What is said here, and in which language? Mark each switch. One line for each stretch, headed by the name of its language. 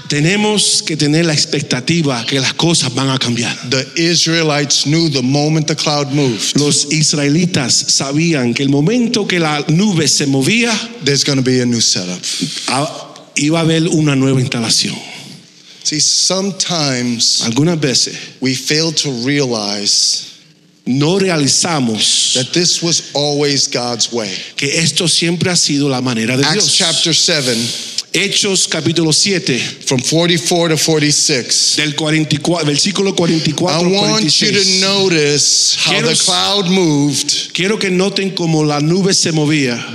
Spanish: Tenemos que tener la expectativa que las cosas van a cambiar.
English: The Israelites knew the moment the cloud moved.
Spanish: Los israelitas sabían que el momento que la nube se movía,
English: there's going to be a new setup.
Spanish: Iba a haber una nueva instalación.
English: See, sometimes,
Spanish: algunas veces,
English: we fail to realize,
Spanish: no realizamos,
English: that this was always God's way.
Spanish: Que esto siempre ha sido la manera de
English: Acts
Spanish: Dios.
English: Acts chapter 7,
Spanish: Hechos capítulo 7,
English: from 44 to 46,
Spanish: del 44, versículo 44 al 46.
English: I want you to notice how the cloud moved.
Spanish: Quiero que noten cómo la nube se movía.